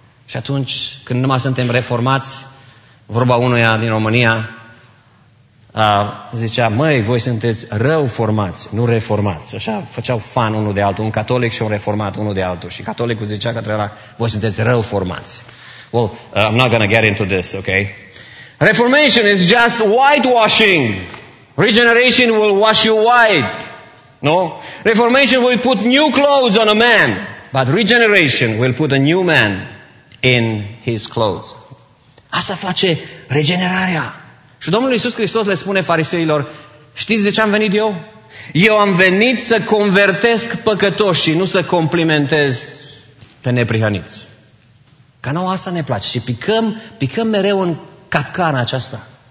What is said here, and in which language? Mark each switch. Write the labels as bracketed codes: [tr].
[ro] Și atunci, când numai suntem reformați, vorba unuia din România, zicea, măi, voi sunteți rău formați, nu reformați. Așa făceau fan unul de altul, un catolic și un reformat unul de altul. Și catolicul zicea către ăla, voi sunteți rău formați. [en] Well, I'm not gonna get into this, okay? Reformation is just whitewashing. Regeneration will wash you white. No? Reformation will put new clothes on a man. But regeneration will put a new man in his clothes. [ro] Asta face regenerarea. Și Domnul Iisus Hristos le spune fariseilor, știți de ce am venit eu? Eu am venit să convertesc păcătoșii, nu să complimentez pe neprihăniți. Ca nouă asta ne place. Și picăm mereu în capcana aceasta.